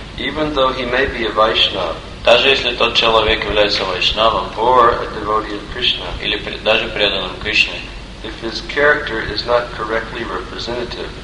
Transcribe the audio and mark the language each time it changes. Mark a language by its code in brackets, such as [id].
[en] Even though he may be a Vaishnava, [ru] даже если тот человек является вайшнавом, [en] or a devotee of Krishna, [ru] или даже преданным Кришне, [en] if his character is not correctly representative,